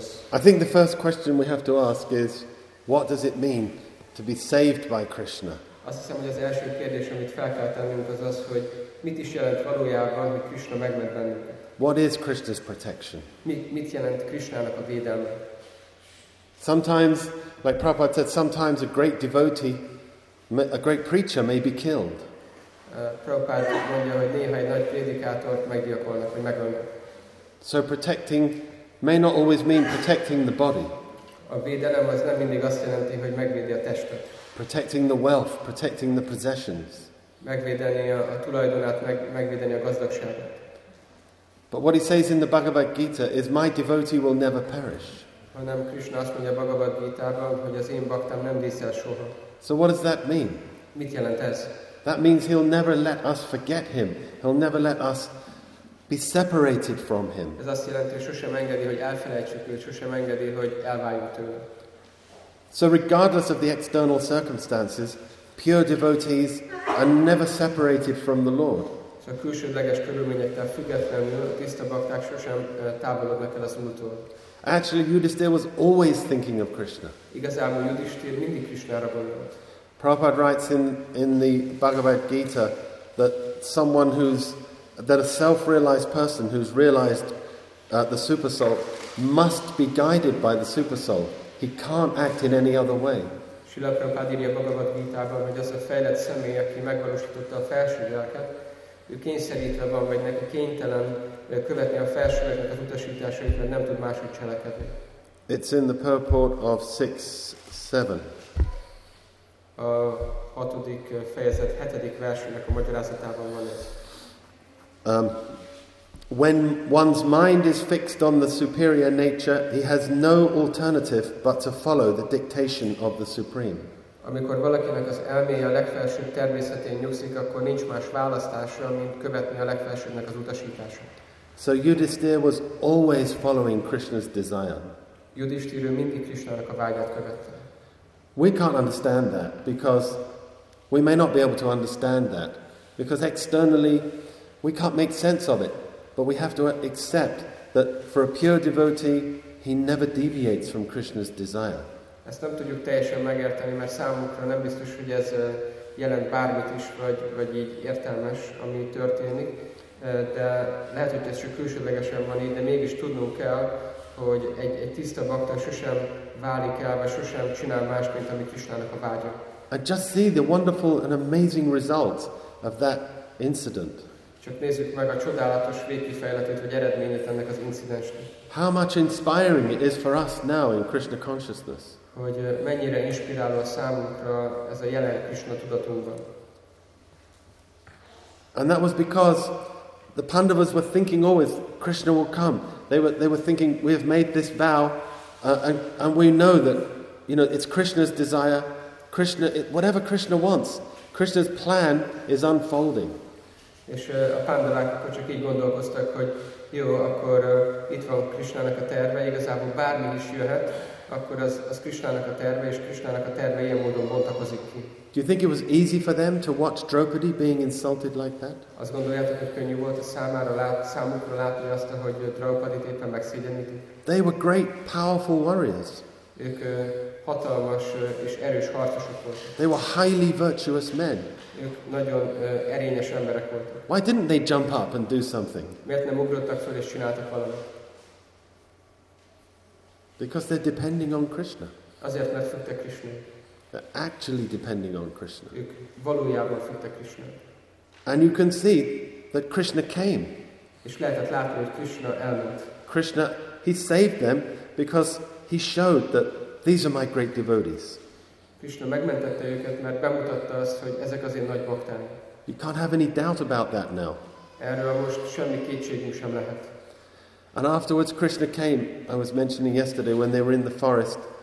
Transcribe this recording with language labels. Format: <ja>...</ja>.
<en>I think the first question we have to ask is, what does it mean to be saved by Krishna?</en> <hu>Azt hiszem, hogy az első kérdés, amit fel kell tennünk, az az, hogy mit is jelent valójában, hogy Krishna megment bennünket.</hu> <en>What is Krishna's protection?</en> <hu>Mit jelent Krishnának a védelme?</hu> <en>Sometimes, like Prabhupada said, sometimes a great devotee, a great preacher may be killed.</en> <hu>Prabhupada mondja, hogy néha egy nagy prédikátort meggyilkolnak, vagy megölnek.</hu> <en>So protecting may not always mean protecting the body.</en> <hu>A védelem az nem mindig azt jelenti, hogy megvédi a testet.</hu> <en>Protecting the wealth, protecting the possessions.</en> <hu>Megvédeni a tulajdonát, megvédeni a gazdagságot.</hu> <en>But what he says in the Bhagavad Gita is, my devotee will never perish.</en> <hu>Hanem Krishna azt mondja a Bhagavad Gita-ban, hogy az én baktám nem díszel soha.</hu> <en>So what does that mean?</en> <hu>Mit jelent ez?</hu> <en>That means he'll never let us forget him. He'll never let us be separated from him.</en> <hu>Ez azt jelenti, hogy sosem engedi, hogy elfelejtsük őt, sosem engedi, hogy elváljunk tőle.</hu> <en>So regardless of the external circumstances, pure devotees are never separated from the Lord.</en> <hu>A külsődleges körülményektől függetlenül tiszta bakták sosem távolodnak el az Úrtól.</hu> <en>Actually, Yudhishthir was always thinking of Krishna.</en> <hu>Igazából Yudhishthir mindig Krishnára gondolt.</hu> <en>Prabhupada writes in the Bhagavad Gita that someone who's that a self-realized person who's realized the super soul must be guided by the super soul. He can't act in any other way.</en> <hu>Srila Prabhupada írja a Bhagavad Gita-ban, hogy az a fejlett személy, aki megvalósította a felső lelket, ő kényszerítve van, vagy neki kénytelen követni a felsőnek az utasításait, mert nem tud máshogy cselekedni.</hu> <en>It's in the purport of 6-7.</en> <hu>A hatodik fejezet, hetedik versének a magyarázatában van ez.</hu> <en>When one's mind is fixed on the superior nature, he has no alternative but to follow the dictation of the Supreme.</en> <hu>Amikor valakinek az elméje a legfelsőbb természetén nyugszik, akkor nincs más választása, mint követni a legfelsőbbnek az utasítását.</hu> <en>So Yudhishthir was always following Krishna's desire.</en> <hu>Yudhishthir mindig Krishnának a vágyát követte.</hu> <en>We can't understand that because we may not be able to understand that because externally we can't make sense of it, but we have to accept that for a pure devotee, he never deviates from Krishna's desire.</en> <hu>Ezt nem tudjuk teljesen megérteni, mert számunkra nem biztos, hogy ez jelent bármit is, vagy így értelmes, ami történik. De lehet, hogy ez csak külsődlegesen van így, de mégis tudnunk kell, hogy egy tiszta bakta sosem válik el, vagy sosem csinál más, mint amit Krisnának a vágya.</hu> <en>I just see the wonderful and amazing results of that incident.</en> <hu>Csak nézzük meg a csodálatos végkifejletét, vagy eredményét ennek az incidensnek.</hu> <en>How much inspiring it is for us now in Krishna consciousness.</en> <hu>Hogy mennyire inspiráló a számunkra ez a jelen Krishna tudatunkban.</hu> <en>And that was because the Pandavas were thinking always Krishna will come. They were thinking we have made this vow and we know that, you know, it's Krishna's desire. Krishna, whatever Krishna wants, Krishna's plan is unfolding.</en> <hu>És a pandavák akkor csak így gondolkoztak, hogy jó, akkor itt van Krisnának a terve, igazából bármi is jöhet, akkor az Krisnának a terve, és Krisnának a terve ilyen módon bontakozik ki.</hu> <en>Do you think it was easy for them to watch Draupadi being insulted like that?</en> <hu>Azt gondoljátok, hogy könnyű volt a számukra látni azt, hogy Draupadit éppen megszégyenítik?</hu> <en>They were great, powerful warriors.</en> <hu>Ők hatalmas és erős harcosok voltak.</hu> <en>They were highly virtuous men.</en> <hu>Ők nagyon erényes emberek voltak.</hu> <en>Why didn't they jump up and do something?</en> <hu>Miért nem ugrottak fel és csináltak valamit?</hu> <en>Because they're depending on Krishna.</en> <hu>Azért, mert függtek Krishna.</hu> <en>They're actually depending on Krishna.</en> <hu>Ők valójában függtek Krishna.</hu> <en>And you can see that Krishna came.</en> <hu>És lehetett látni, hogy Krishna elment.</hu> <en>Krishna, he saved them because he showed that these are my great devotees.</en> <hu>Krishna megmentette őket, mert bemutatta azt, hogy ezek az én nagy bhaktáim.</hu> <en>You can't have any doubt about that now.</en> <hu>Erről most semmi kétségünk sem lehet.</hu> <en>And afterwards Krishna came, I was mentioning yesterday, when they were in the forest.</en>